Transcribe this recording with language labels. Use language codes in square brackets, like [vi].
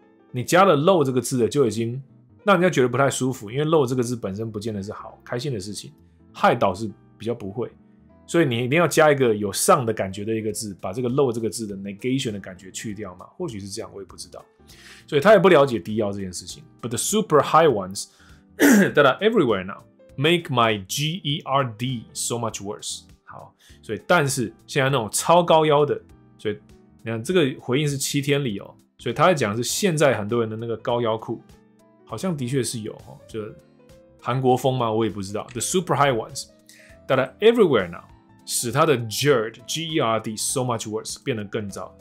[zh] 你加了 low 这个字的就已经让人家觉得不太舒服，因为 low 这个字本身不见得是好开心的事情， high 倒是比较不会，所以你一定要加一个有上的感觉的一个字，把这个 low 这个字的 negation 的感觉去掉嘛，或许是这样，我也不知道，所以他也不了解低腰这件事情。 [en] But the super high ones that are everywhere now make my GERD so much worse。 [zh] 好，所以但是现在那种超高腰的，所以你看这个回应是七天里哦，所以他在讲是现在很多人的那个高腰裤，好像的确是有哈，就韩国风吗？我也不知道。 [en] The super high ones that are everywhere now， [zh] 使他的 [en] GERD so much worse [zh] 变得更糟。